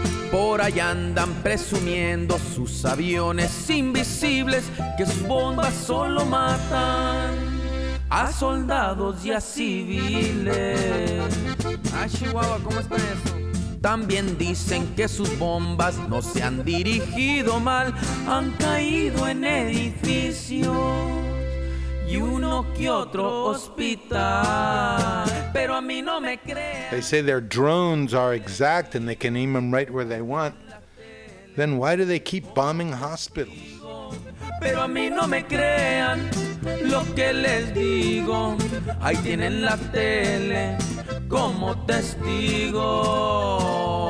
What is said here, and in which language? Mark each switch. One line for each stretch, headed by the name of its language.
Spanish: Por allá andan presumiendo sus aviones invisibles, que sus bombas solo matan a soldados y a civiles. Ay, Chihuahua, ¿cómo está eso? También dicen que sus bombas no se han dirigido mal, han caído en edificios y uno que otro hospital. Pero a mí no me creen.
English: They say their drones are exact and they can aim them right where they want. Then why do they keep bombing hospitals?
Spanish: Pero a mí no me crean lo que les digo, ahí tienen la tele como testigo.